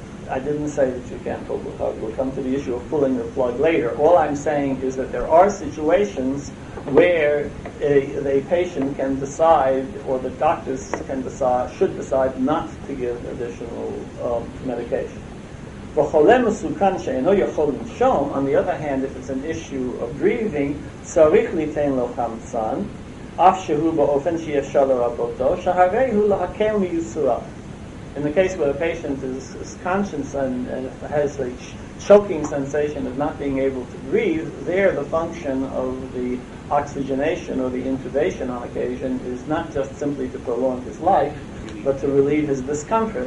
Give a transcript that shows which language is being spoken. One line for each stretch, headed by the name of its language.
English: I didn't say that you can't pull the plug. We'll come to the issue of pulling the plug later. All I'm saying is that there are situations where a patient can decide, or the doctors can decide, should decide not to give additional medication.
Hebrew: וחולה מסוכן שאינו יכול לנשום,
English: on the other hand, if it's an issue of breathing,
Hebrew: צריך ליתן לו חמצן, אף שהוא באופן שישר לרבותו, שהרי הוא להקל מיוסורה.
English: In the case where a patient is conscious and has a choking sensation of not being able to breathe, there the function of the oxygenation or the intubation on occasion is not just simply to prolong his life, but to relieve his discomfort.